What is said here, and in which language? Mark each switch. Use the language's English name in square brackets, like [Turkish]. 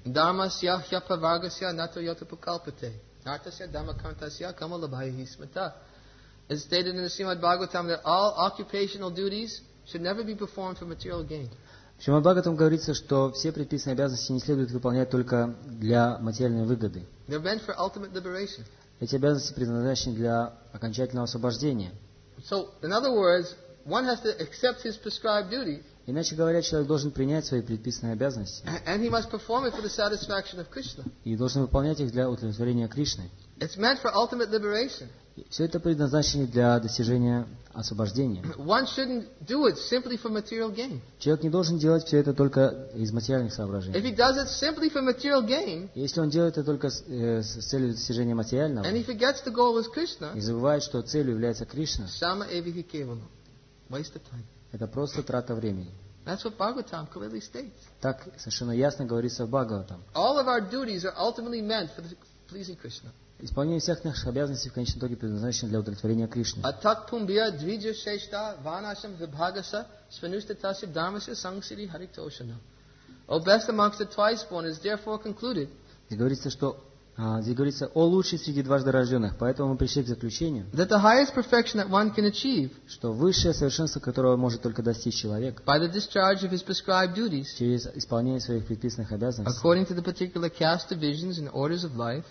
[Sanskrit] Дармасья хья паваргасья нато йота пакалпате. Нартасья дама кантасья камалабхайи хи смита. [English] It's stated in the Srimad Bhagavatam that all occupational duties should never be performed for material gain. [Russian] В Srimad Bhagavatam говорится, что все предписанные обязанности не следует выполнять только для материальной выгоды. [English] They're meant for ultimate liberation. [Russian] Эти обязанности предназначены для окончательного освобождения. [English] So, in other words, one has to accept his prescribed duty. [Russian] Иначе говоря, человек должен принять свои предписанные обязанности. [English] And he must perform it for the satisfaction of Krishna. [Russian] И должен выполнять их для удовлетворения Кришны. [English] It's meant for ultimate liberation. [Russian] Все это предназначено для достижения освобождения. [English] One shouldn't do it simply for material gain. [Russian] Человек не должен делать все это только из материальных соображений. [English] If he does it simply for material gain, [Russian] если он делает это только с целью достижения материального, [English] and he forgets the goal is Krishna, [Russian] и забывает, что целью является Кришна, [Sanskrit] sama evihi kevalam, [English] waste of time. [Russian] Это просто трата времени. [English] That's what Bhagavatam clearly states. [Russian] Так совершенно ясно говорится в Бхагаватам. [English] All of our duties are ultimately meant for pleasing Krishna. [Russian] Исполнение всех наших обязанностей в конечном итоге предназначено для удовлетворения Кришны. [Sanskrit] Атак пумбия двиджа шешта ванашам вибхагаса свинуштатасиб дармаса сангсири хариктошанам. [English] O best amongst the twice born is therefore concluded. [Russian] Здесь говорится о лучшей среди дважды рожденных, поэтому мы пришли к заключению, [English] that the highest perfection that one can achieve, [Russian] что высшее совершенство, которого может только достичь человек, [English] by the discharge of his prescribed duties, [Russian] через исполнение своих предписанных обязанностей, [English] according to the particular caste divisions and orders of life,